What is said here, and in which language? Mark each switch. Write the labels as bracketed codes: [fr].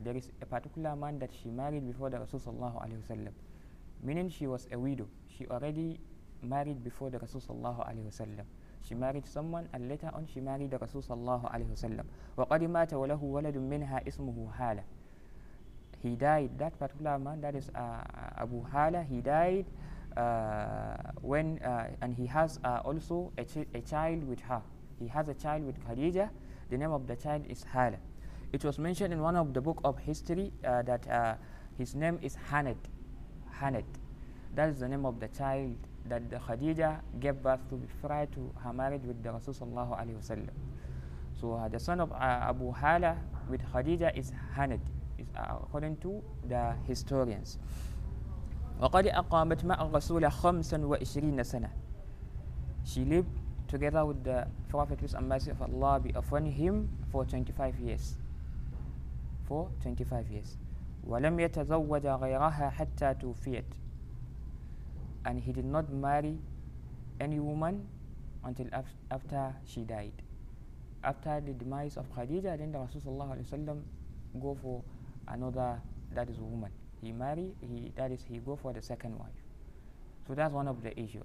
[en] There is a particular man that she married before the Rasulullah alayhi wasallam, meaning she was a widow. She already married before the Rasulullah alayhi wasallam. She married someone, and later on she married the Rasulullah alayhi wasallam. [ar] وقد مات وله ولد منها اسمه هالة. [en] He died, that particular man, that is Abu Hala, he died and he has also a child with her. He has a child with Khadija. The name of the child is Hala. It was mentioned in one of the book of history that his name is Haned. Haned, that is the name of the child that the Khadija gave birth to prior to her marriage with the Rasulullah alayhi wasallam. So the son of Abu Hala with Khadija is Haned, is according to the historians. [ar] وقد أقامت مع الرسول 25 سنة. [en] She lived together with the Prophet, peace and mercy of Allah be upon him, for 25 years. For 25 years. [ar] ولم يتزوج غيرها حتى توفيت. [en] And he did not marry any woman until after she died. After the demise of Khadija, then the Rasulullah go for another, that is a woman. He marry, he go for the second wife. So that's one of the issues.